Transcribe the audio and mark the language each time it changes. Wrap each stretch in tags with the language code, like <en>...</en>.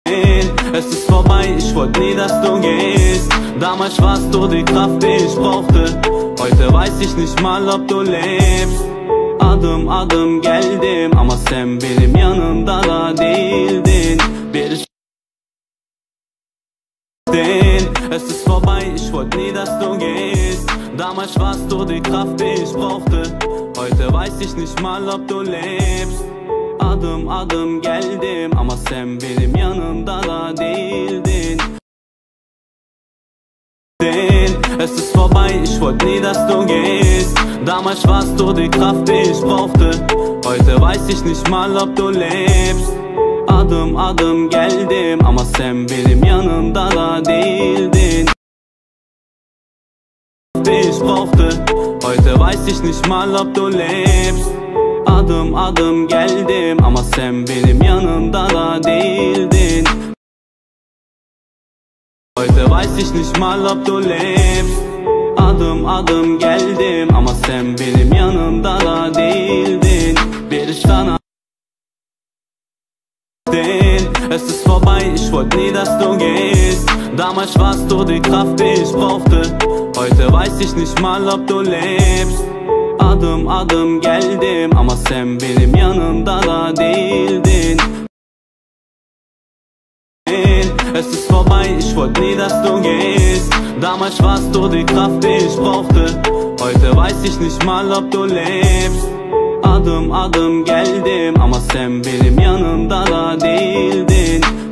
<de>Es ist vorbei, ich wollte nie, dass du gehst. Damals warst du die Kraft, die ich brauchte. Heute weiß ich nicht mal, ob du lebst.</de> <tr>Adım adım geldim ama sen benim yanımda da değildin. Bir şeydin.</tr> <de>Es ist vorbei, ich wollte nie, dass du gehst. Damals warst du die Kraft, die ich brauchte. Heute weiß ich nicht mal, ob du lebst.</de> <tr>Adım adım geldim ama sen benim yanımda da değildin.</tr> <de>Es ist vorbei, ich wollte nie, dass du gehst. Damals warst du die Kraft, die ich brauchte. Heute weiß ich nicht mal, ob du lebst.</de> <tr>Adım adım geldim ama sen benim yanımda da değildin.</tr> <de>Die ich brauchte. Heute weiß ich nicht mal, ob du lebst.</de> <tr>Adım adım geldim ama sen benim yanımda da değildin.</tr> <de>Heute weiß ich nicht mal, ob du lebst.</de> <tr>Adım adım geldim ama sen benim yanımda da değildin. Bir sana değil.</tr> <de>Es ist vorbei, ich wollte nie, dass du gehst. Damals warst du die Kraft, die ich brauchte. Heute weiß ich nicht mal, ob du lebst.</de> <tr>Adım adım geldim ama sen benim yanımda da değildin.</tr> <de>Es ist vorbei, ich wollte nie, dass du gehst. Damals warst du die Kraft, die ich brauchte. Heute weiß ich nicht mal, ob du lebst.</de> <tr>Adım adım geldim ama sen benim yanımda da değildin.</tr>